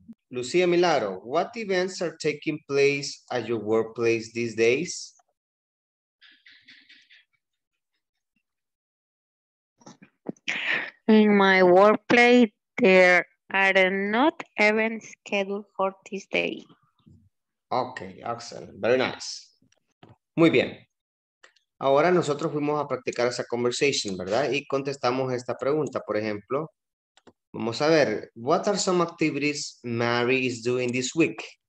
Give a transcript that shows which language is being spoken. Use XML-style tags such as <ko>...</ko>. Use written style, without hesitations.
<en>Lucia Milaro, what events are taking place at your workplace these days? In my workplace, there are not events scheduled for this day. Okay, excellent. Very nice.</en> <es>Muy bien. Ahora nosotros fuimos a practicar esa conversation, ¿verdad? Y contestamos esta pregunta, por ejemplo. Vamos a ver,</es> <en>what are some activities Mary is doing this week?</en>